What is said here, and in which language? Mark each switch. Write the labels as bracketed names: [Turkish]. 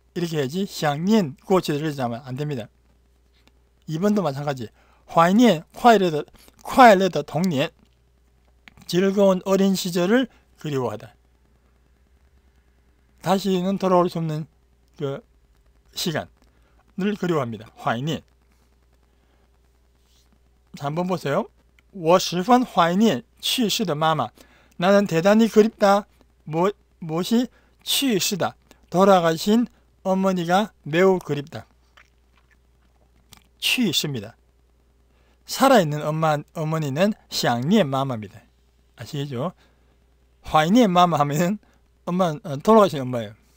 [Korean] 이렇게 해야지 샹니엔 고시더리즈 하면 안 됩니다. 2번도 마찬가지. 화이니엔 콰이레더 동년, 즐거운 어린 시절을 그리워하다. 다시는 돌아올 수 없는 그 시간을 그리워합니다. 화이니엔. 자, 한번 보세요. [Chinese] 我十分怀念去世的妈妈. [Korean] 나는 대단히 그립다. 무엇이 去世다. 돌아가신 어머니가 매우 그립다. 去世입니다. 살아있는 어머니는 샹니엔 마마입니다. 아시겠죠? 怀念 마마 하면 엄마 돌아가신 엄마예요.